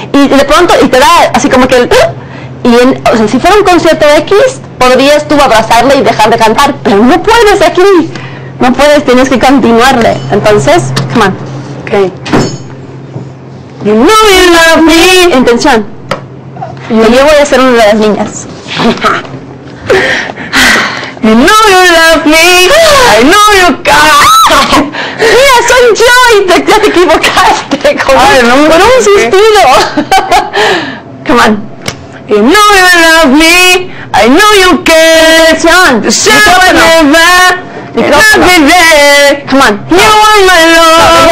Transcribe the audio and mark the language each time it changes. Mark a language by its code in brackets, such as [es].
[es] Y de pronto, y te da así como que el... Y en, o sea, si fuera un concierto X, podrías tú abrazarle y dejar de cantar, pero no puedes aquí, no puedes, tienes que continuarle. [en] Entonces, come on. Ok. You know you love me. Intención. [es] Yo voy a ser una de las niñas. [en] You know you love me. I know you care. [es] Mira, soy yo y ya te equivocaste con un suspiro. [en] Come on. You know you love me. I know you care. [es] Son. [en] Show me that. Come on. You are my love. No,